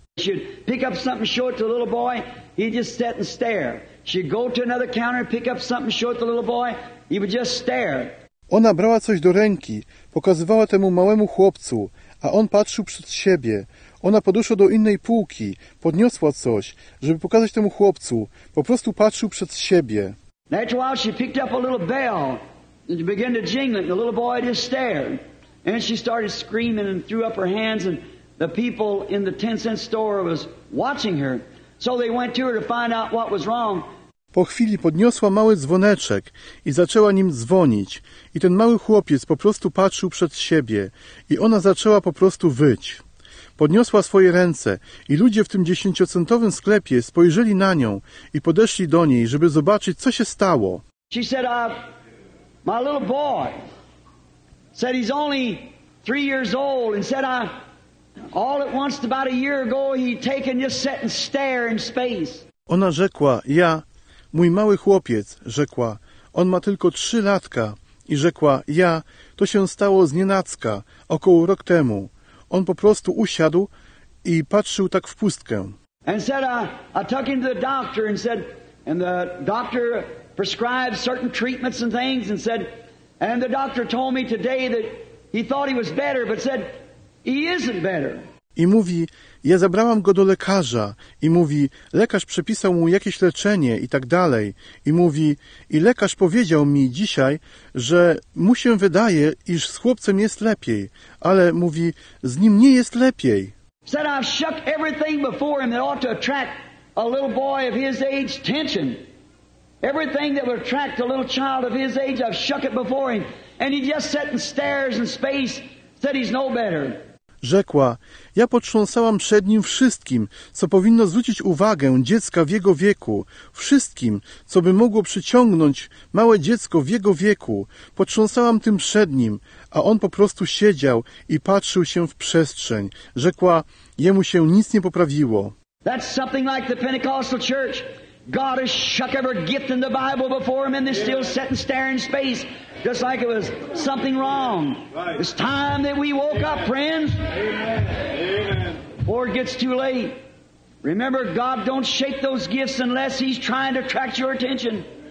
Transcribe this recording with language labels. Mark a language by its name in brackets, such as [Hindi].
[English] She'd pick up something, show it to the little boy, he'd just sit and stare. She'd go to another counter, pick up something, show it to the little boy, he would just stare. [Polish] Ona brała coś do ręki, pokazywała temu małemu chłopcu, a on patrzył przed siebie. Ona podeszła do innej półki, podniosła coś, żeby pokazać temu chłopcu. Po prostu patrzył przed siebie. [English] After a while she picked up a little bell and began to jingle it, and the little boy just stared. And she started screaming and threw up her hands, and the people in the 10-cent store was watching her. So they went to her to find out what was wrong. [Polish] Po chwili podniosła mały dzwoneczek i zaczęła nim dzwonić. I ten mały chłopiec po prostu patrzył przed siebie. I ona zaczęła po prostu wyć. Podniosła swoje ręce i ludzie w tym 10-centowym sklepie spojrzeli na nią i podeszli do niej, żeby zobaczyć, co się stało. [English] She said, my little boy said he's only 3 years old and said, all at once, about a year ago, he'd taken just sit and stare in space. [Polish] Ona rzekła, ja... Mój mały chłopiec, rzekła, on ma tylko 3 latka. I rzekła, ja, to się stało znienacka, około rok temu. On po prostu usiadł i patrzył tak w pustkę. [English] And said, I took him to the doctor and said, and the doctor prescribed certain treatments and things and said, and the doctor told me today that he thought he was better, but said, he isn't better. [Polish] I mówi, ja zabrałam go do lekarza. I mówi, lekarz przepisał mu jakieś leczenie i tak dalej. I mówi, i lekarz powiedział mi dzisiaj, że mu się wydaje, iż z chłopcem jest lepiej. Ale mówi, z nim nie jest lepiej. [English] Said I've shook everything before him that ought to attract a little boy of his age tension. Everything that would attract a little child of his age, I've shook it before him. And he just sat and stares in space, said he's no better. [Polish] Rzekła, ja potrząsałam przed nim wszystkim, co powinno zwrócić uwagę dziecka w jego wieku, wszystkim, co by mogło przyciągnąć małe dziecko w jego wieku. Potrząsałam tym przed nim, a on po prostu siedział i patrzył się w przestrzeń. Rzekła, jemu się nic nie poprawiło. [English] That's something like the Pentecostal church. God has shook every gift in the Bible before him, and they're still sitting staring space, just like it was something wrong. Right. It's time that we woke up, friends. Amen. Before it gets too late. Remember, God don't shake those gifts unless he's trying to attract your attention.